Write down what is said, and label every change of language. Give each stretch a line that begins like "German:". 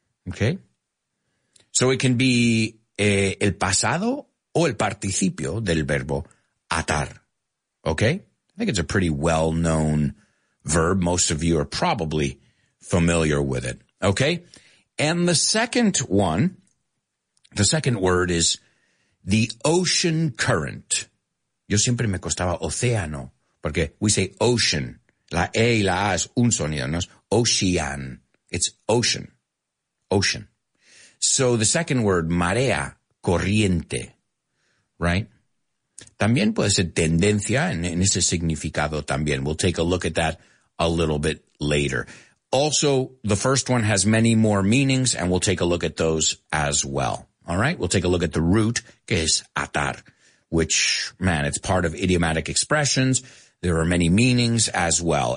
English: Okay, so it can be
Spanish: el pasado o el participio del verbo atar.
English: Okay, I think it's a pretty well-known verb. Most of you are probably familiar with it. Okay. And the second one, the second word is the ocean current.
Spanish: Yo siempre me costaba océano, porque
English: we say ocean.
Spanish: La E y la A es un sonido, no es ocean.
English: It's ocean. Ocean. So the second word,
Spanish: marea, corriente,
English: right?
Spanish: También puede ser tendencia en ese significado también.
English: We'll take a look at that a little bit later. Also, the first one has many more meanings, and we'll take a look at those as well. All right, we'll take a look at the root,
Spanish: que es atar.
English: which, man, it's part of idiomatic expressions. There are many meanings as well.